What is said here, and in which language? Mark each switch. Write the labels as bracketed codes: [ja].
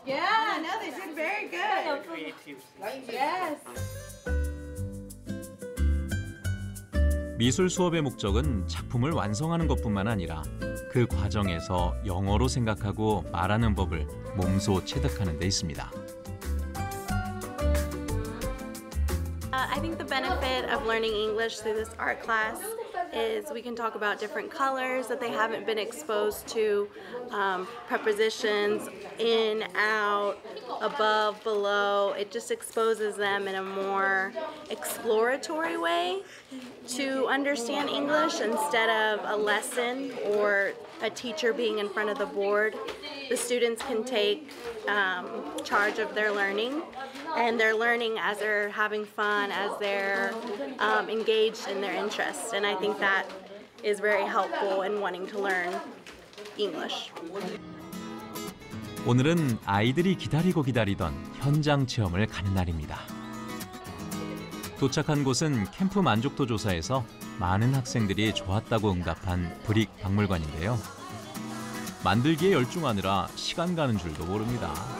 [en] Yeah. No, they did very good. Yes. [ko] 미술 수업의 목적은 작품을 완성하는 것뿐만 아니라 그 과정에서 영어로 생각하고 말하는 법을 몸소 체득하는 데 있습니다. [en] I think the benefit of learning English through this art class is we can talk about different colors that they haven't been exposed to, prepositions in, out, above, below. It just exposes them in a more exploratory way to understand English instead of a lesson or a teacher being in front of the board. The students can take charge of their learning, and they're learning as they're having fun, as they're engaged in their interests. And I think that is very helpful in wanting to learn English. [ko] 오늘은 아이들이 기다리고 기다리던 현장 체험을 가는 날입니다. 도착한 곳은 캠프 만족도 조사에서 많은 학생들이 좋았다고 응답한 브릭 박물관인데요. 만들기에 열중하느라 시간 가는 줄도 모릅니다.